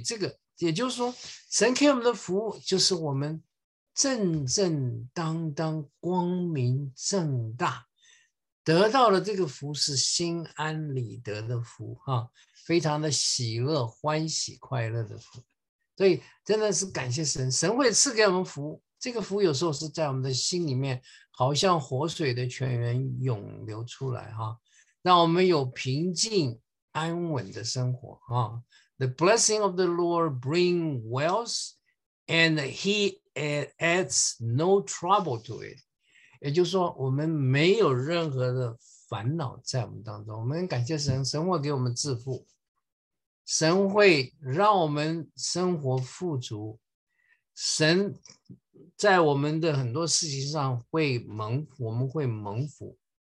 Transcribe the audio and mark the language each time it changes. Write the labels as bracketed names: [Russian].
[Chinese] 这个也就是说，神给我们的福就是我们正正当当、光明正大得到了这个福，是心安理得的福，非常的喜乐、欢喜、快乐的福。所以真的是感谢神，神会赐给我们福。这个福有时候是在我们的心里面，好像活水的泉源涌流出来，让我们有平静安稳的生活。 [English] The blessing of the Lord bring wealth, and he adds no trouble to it. [Chinese] 也就是说，我们没有任何的烦恼在我们当中。我们感谢神，神会给我们致富，神会让我们生活富足，神在我们的很多事情上会蒙福，我们会蒙福。